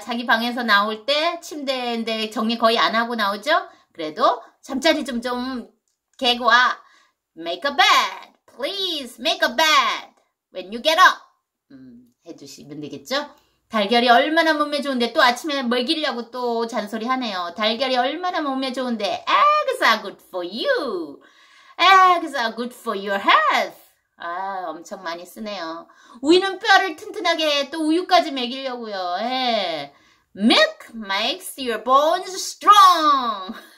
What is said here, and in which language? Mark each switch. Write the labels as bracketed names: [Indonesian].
[Korean] 자기 방에서 나올 때 침대인데 정리 거의 안 하고 나오죠? 그래도 잠자리 좀 개고 와. [English] make a bed. please make a bed. when you get up. [Korean] 해주시면 되겠죠? 달걀이 얼마나 몸에 좋은데 또 아침에 먹이려고 또 잔소리 하네요. 달걀이 얼마나 몸에 좋은데 [English] Eggs are good for you. Eggs are good for your health. [Korean] 아, 엄청 많이 쓰네요. 우유는 뼈를 튼튼하게 또 우유까지 먹이려고요. 예. [English] Milk makes your bones strong.